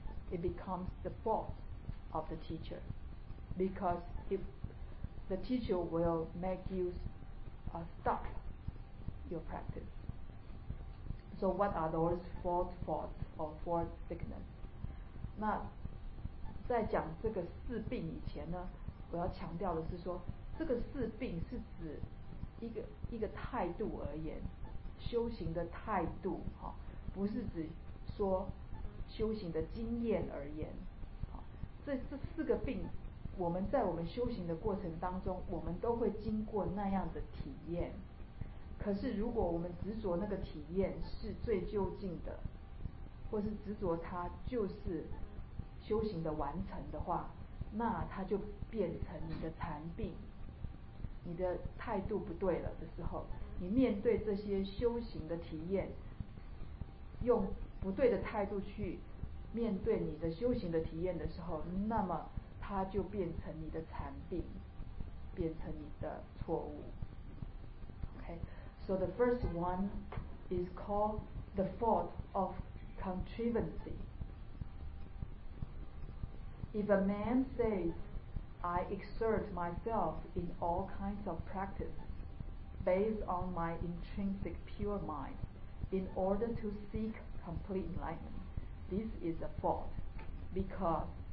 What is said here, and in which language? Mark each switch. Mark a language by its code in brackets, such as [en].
[en] It becomes the fault of the teacher. Because if the teacher will make you stop your practice. So what are those four faults or four sickness? [zh] 那在讲这个四病以前呢，我要强调的是说，这个四病是指一个态度而言，修行的态度，不是指说修行的经验而言。这四个病我们在我们修行的过程当中，我们都会经过那样的体验。可是如果我们执着那个体验是最究竟的，或是执着它就是修行的完成的话，那它就变成你的禅病。你的态度不对了的时候，你面对这些修行的体验，用不对的态度去面对你的修行的体验的时候，那么它就变成你的禅病，变成你的错误。 [en] Okay, so the first one is called the fault of contrivance. If a man says, I exert myself in all kinds of practice based on my intrinsic pure mind in order to seek complete enlightenment, this is a fault because